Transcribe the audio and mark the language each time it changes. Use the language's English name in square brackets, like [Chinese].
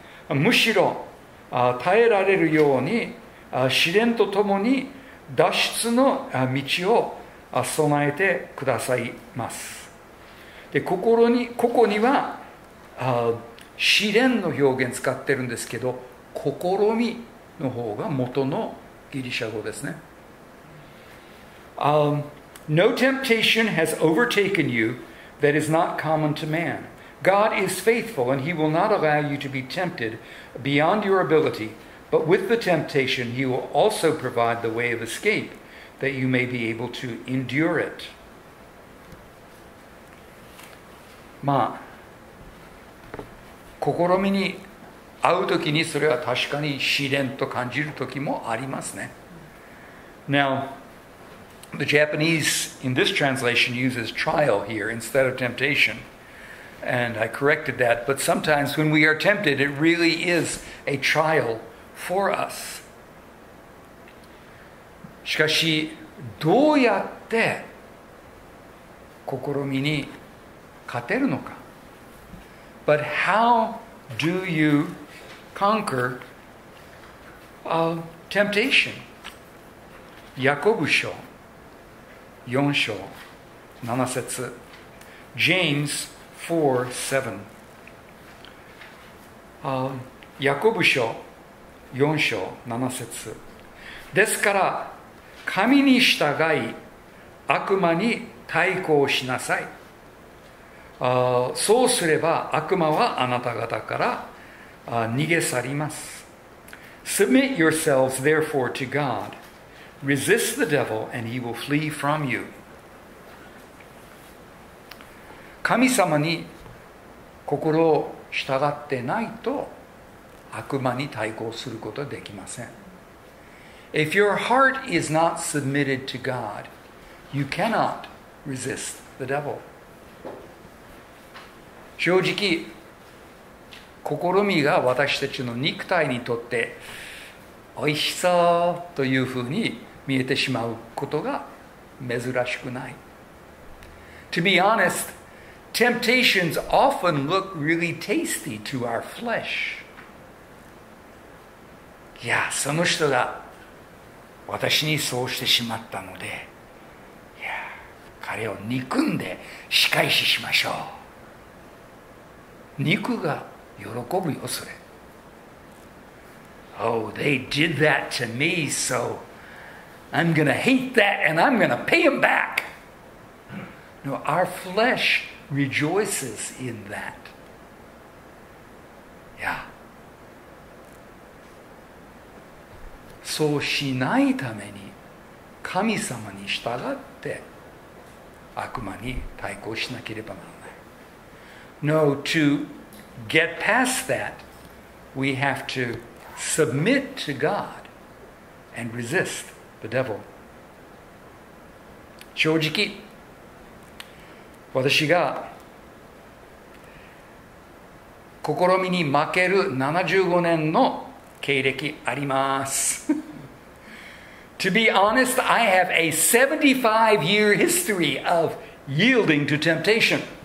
[Japanese] むしろ耐えられるように試練とともに脱出の道を備えてくださいます。で、ここには試練の表現使ってるんですけど、試みの方が元のギリシャ語ですね。 [English] No temptation has overtaken you that is not common to man. God is faithful and he will not allow you to be tempted beyond your ability, but with the temptation he will also provide the way of escape that you may be able to endure it. [Japanese] まあ、試みに遭うときにそれは確かに試練と感じるときもありますね。 [English] Now, the Japanese in this translation uses trial here instead of temptation. And I corrected that. But sometimes when we are tempted, it really is a trial for us. [Japanese] しかし、どうやって試みに勝てるのか。 [English] But how do you conquer temptation? [Japanese] ヤコブ書4章7節 [English] James 4:7 [Japanese] ヤコブ書4章7節ですから神に従い悪魔に対抗しなさい。そうすれば悪魔はあなた方から逃げ去ります。 [English] Submit yourselves therefore to God. Resist the devil and he will flee from you. [Japanese] 神様に心を従ってないと悪魔に対抗することはできません。 [English] If your heart is not submitted to God, you cannot resist the devil. [Japanese] 正直、試みが私たちの肉体にとって美味しそうというふうに見えてしまうことが珍しくない。 [English] To be honest, temptations often look really tasty to our flesh. [Japanese] いや、その人が私にそうしてしまったので、いや、彼を憎んで仕返ししましょう。肉が喜ぶよそれ。 [English] Oh, they did that to me, so I'm gonna hate that and I'm gonna pay them back. No, our flesh rejoices in that. Yeah. [Japanese] そうしないために神様に従って悪魔に対抗しなければならない。 [English] No, to get past that, we have to submit to God and resist the devil. [Japanese] 正直、私が試みに負ける75年の経歴あります。 [English] To be honest, I have a 75-year history of yielding to temptation.